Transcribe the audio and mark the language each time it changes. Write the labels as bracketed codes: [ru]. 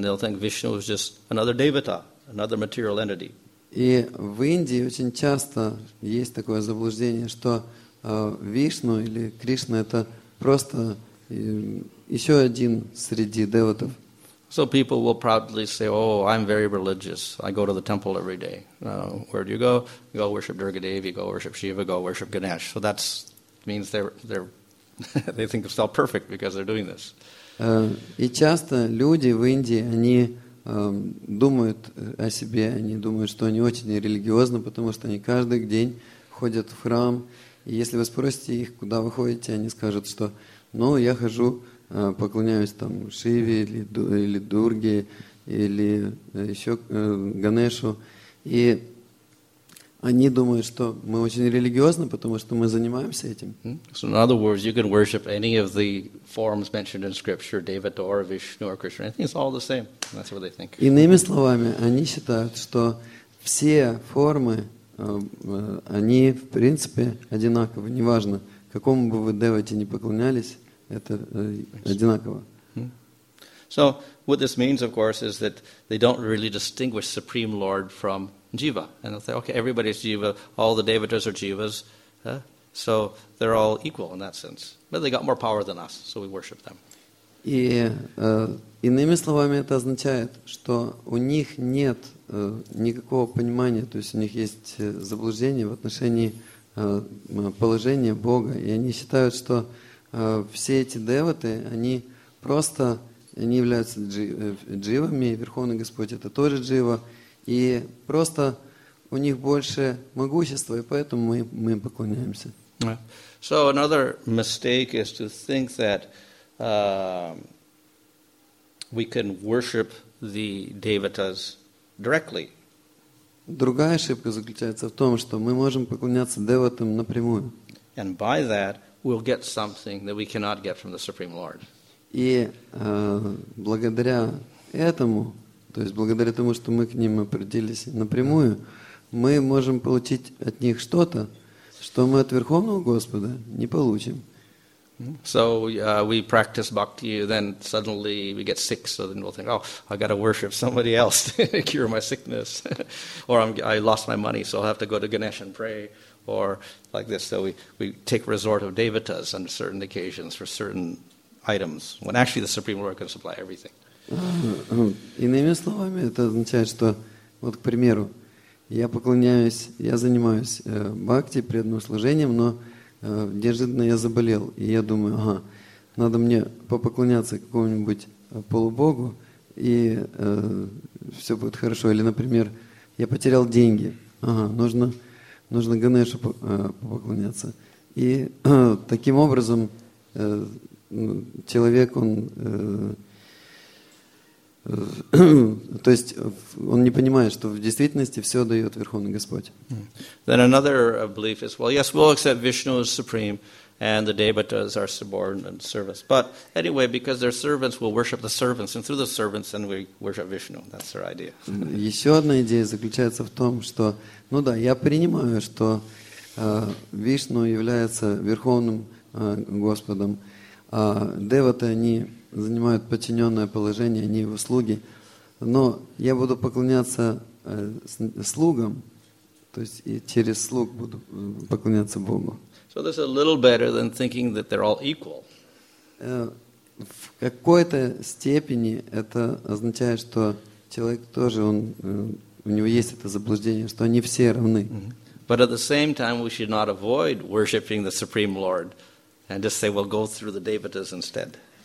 [en] They'll think Vishnu is just another devata, another material entity. [ru] И в Индии очень часто есть такое заблуждение, что Вишну или Кришна это просто еще один среди деватов. [en] So people will proudly say, "Oh, I'm very religious. I go to the temple every day. Where do you go? You go worship Durga Devi. You go worship Shiva. Go worship Ganesh." So that means they're They think themselves perfect because they're doing this. [ru] И часто люди в Индии, они думают о себе, они думают, что они очень религиозны, потому что они каждый день ходят в храм. И если вы спросите их, куда вы ходите, они скажут, что ну, я хожу, поклоняюсь там Шиве или Дурге, или еще Ганешу. И они думают, что мы очень религиозны, потому что мы занимаемся этим. [en] So in other words, you can worship any of the forms mentioned in scripture, Devadora, Vishnu, or Krishna. I think it's all the same. That's what they think. [ru] Иными словами, они считают, что все формы, они в принципе одинаковы. Неважно, какому бы вы девоте ни поклонялись, это одинаково. [en] So what this means, of course, is that they don't really distinguish Supreme Lord from Jiva, and they'll say, okay, everybody's Jiva, all the Devatas are Jivas, so they're all equal in that sense. But they got more power than us, so we worship them. [ru] И иными словами, это означает, что у них нет никакого понимания, то есть у них есть заблуждение в отношении положения Бога, и они считают, что все эти Деваты, они просто не являются Дживами, Верховный Господь это тоже Джива. И просто у них больше могущества, и поэтому мы им поклоняемся. [en] So another mistake is to think that we can worship the devatas directly. [ru] Другая ошибка заключается в том, что мы можем поклоняться деватам напрямую. [en] And by that we'll get something that we cannot get from the Supreme Lord. [ru] И благодаря этому, то есть благодаря тому, что мы к ним обратились напрямую, мы можем получить от них что-то, что мы от Верховного Господа не получим. [en] So we practice bhakti, then suddenly we get sick, so then we'll think, oh, I got to worship somebody else to cure my sickness. Or I lost my money, so I'll have to go to Ganesh and pray. Or like this, so we take resort of devatas on certain occasions for certain items, when actually the Supreme Lord can supply everything. [ru] Иными словами, это означает, что, вот, к примеру, я поклоняюсь, я занимаюсь бхакти, преданным служением, но неожиданно я заболел, и я думаю, ага, надо мне попоклоняться какому-нибудь полубогу, и все будет хорошо. Или, например, я потерял деньги, ага, нужно Ганешу попоклоняться. И таким образом человек, он... То есть он не понимает, что в действительности все дает Верховный Господь. [en] Then another belief is, well, yes, we'll accept Vishnu as supreme, and the devatas are subordinate servants. But anyway, because they're servants, we'll worship the servants, and through the servants, then we worship Vishnu. That's their idea. [ru] Еще одна идея заключается в том, что, ну да, я принимаю, что Вишну является Верховным Господом, а деваты, они занимают подчиненное положение, они его слуги. Но я буду поклоняться слугам, то есть и через слуг буду поклоняться Богу. [en] So this is a little better than thinking that they're all equal. [ru] В какой-то степени это означает, что человек тоже, он, у него есть это заблуждение, что они все равны. [en] But at the same time, we should not avoid worshiping the Supreme Lord and just say, well, go through the devatas instead.